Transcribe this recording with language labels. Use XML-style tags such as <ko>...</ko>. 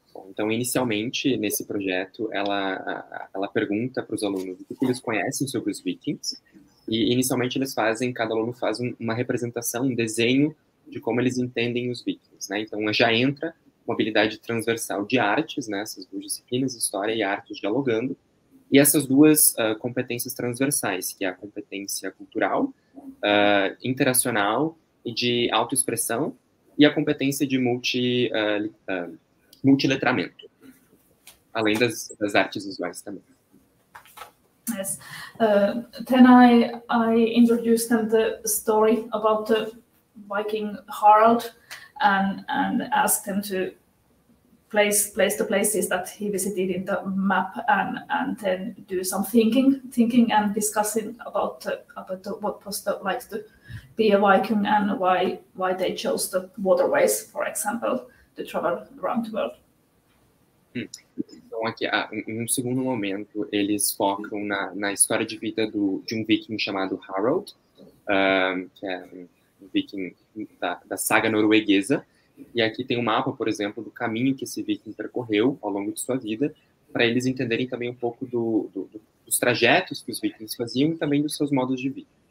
<pt>Então, inicialmente, nesse projeto, ela pergunta para os alunos o que eles conhecem sobre os vikings, e inicialmente eles fazem, cada aluno faz uma representação, um desenho de como eles entendem os vikings, né? Então, já entra uma habilidade transversal de artes, né? Essas duas disciplinas, história e artes, dialogando, e essas duas competências transversais, que é a competência cultural, interacional e de autoexpressão, e a competência de multiletramento, além das artes visuais também.</pt> <en>Yes. Then I introduced them the story about the Viking Harald and asked them to place the places that he visited in the map and then do some thinking and discussing about what was the like to be a Viking and why they chose the waterways, for example, to travel around the world.</en> <pt>Então, aqui, em um segundo momento, eles focam na história de vida de um viking chamado Harald, que é um viking da saga norueguesa. E aqui tem um mapa, por exemplo, do caminho que esse viking percorreu ao longo de sua vida, para eles entenderem também um pouco dos trajetos que os vikings faziam e também dos seus modos de vida.</pt>